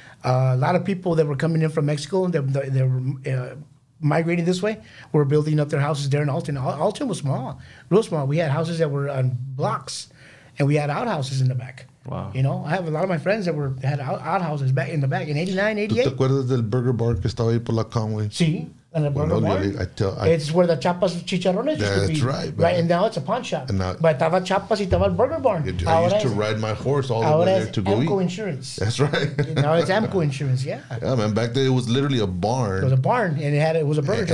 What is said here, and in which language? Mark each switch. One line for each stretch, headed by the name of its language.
English: A lot of people that were coming in from Mexico and they were migrating this way were building up their houses there in Alton. Alton was small, real small. We had houses that were on blocks, and we had outhouses in the back. Wow. You know, I have a lot of my friends that had outhouses back in the back in 89, 88.
Spanish: ¿Te acuerdas del burger bar que estaba ahí por la Conway? Sí.
English: And the burger it's where the chapas chicharrones used to be. That's right. Man. Right, and now it's a pawn shop.
Spanish: But estaba chapas y estaba el burger barn.
English: I used to ride my horse all the way there to go eat. Amco Insurance. That's right. Now it's Amco Insurance, yeah. Yeah, man. Back then it was literally a barn. It was a barn, and it was a burger joint.